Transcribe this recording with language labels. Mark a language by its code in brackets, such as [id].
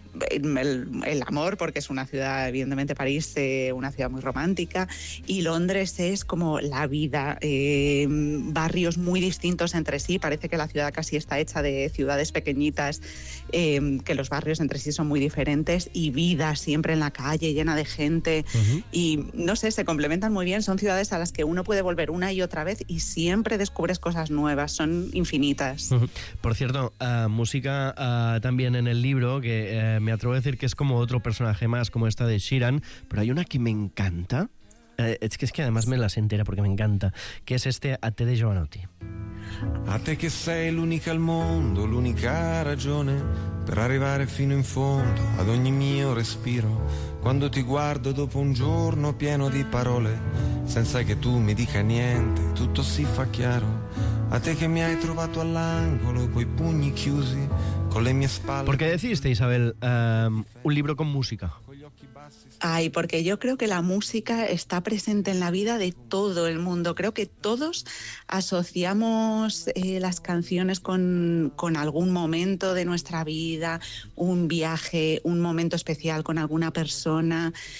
[es] El amor, porque es una ciudad, evidentemente París, una ciudad muy romántica, y Londres es como la vida, barrios muy distintos entre sí, parece que la ciudad casi está hecha de ciudades pequeñitas, que los barrios entre sí son muy diferentes, y vida siempre en la calle, llena de gente, y no sé, se complementan muy bien, son ciudades a las que uno puede volver una y otra vez y siempre descubres cosas nuevas, son infinitas. Por cierto, música también en el libro, que me atrevo a decir que es como otro personaje más, como esta de Sheeran, pero hay una que me encanta, es que además me la sé entera porque me encanta, que es este A te de Jovanotti. [it] A te que sei l'unica al mondo, l'unica ragione per arrivare fino in fondo ad ogni mio respiro, quando ti guardo dopo un giorno pieno di parole, senza che tu mi dica niente, tutto si fa chiaro. A te che mi hai trovato all'angolo coi pugni chiusi. [es] ¿Por qué decidiste, Isabel, un libro con música? Ay, porque yo creo que la música está presente en la vida de todo el mundo. Creo que todos asociamos las canciones con algún momento de nuestra vida, un viaje, un momento especial con alguna persona.